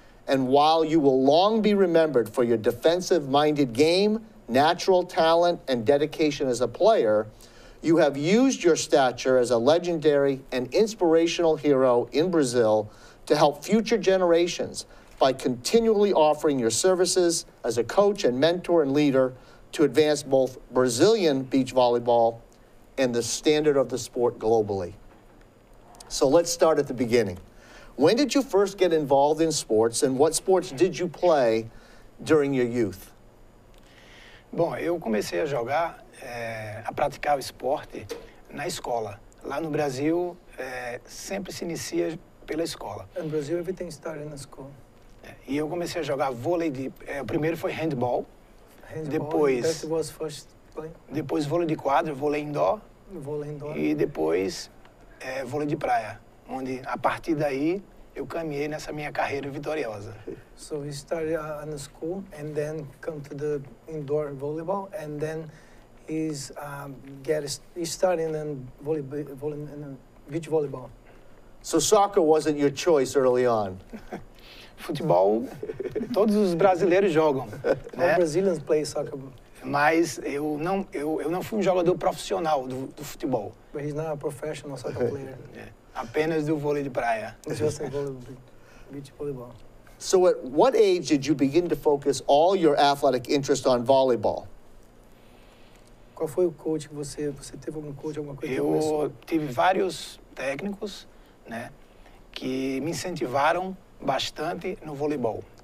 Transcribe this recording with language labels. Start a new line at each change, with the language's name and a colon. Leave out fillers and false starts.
English: And while you will long be remembered for your defensive-minded game, natural talent, and dedication as a player, you have used your stature as a legendary and inspirational hero in Brazil to help future generations by continually offering your services as a coach and mentor and leader to advance both Brazilian beach volleyball and the standard of the sport globally. So let's start at the beginning. When did you first get involved in sports, and what sports did you play during your youth?
Portuguese: Bom, eu comecei a jogar, a praticar o esporte na escola. Lá no Brasil, sempre se inicia pela escola. No Brasil,
English: everything started in school.
Portuguese: E eu comecei a jogar vôlei de... O primeiro foi handball. Depois,
English: that was first play.
Portuguese: Depois, vôlei de quadra, vôlei indoor. Vôlei indoor. E depois, vôlei de praia. Onde, a partir daí, eu caminhei nessa minha carreira vitoriosa.
English: So he started in the school and then come to the indoor volleyball and then he's starting in beach volleyball. So soccer wasn't your choice early on.
Portuguese: Futebol, todos os brasileiros jogam,
English: né? All Brazilians play soccer.
Portuguese: Mas eu não fui um jogador profissional do futebol.
English: But he's not a professional soccer player. Yeah.
Portuguese: Apenas do vôlei de praia.
English: Just beach volleyball. So at what age did you begin to focus all your athletic interest on volleyball?
Portuguese: Qual foi o coach que você teve algum coach, alguma coisa? Eu tive vários técnicos, né, que me incentivaram bastante no voleibol.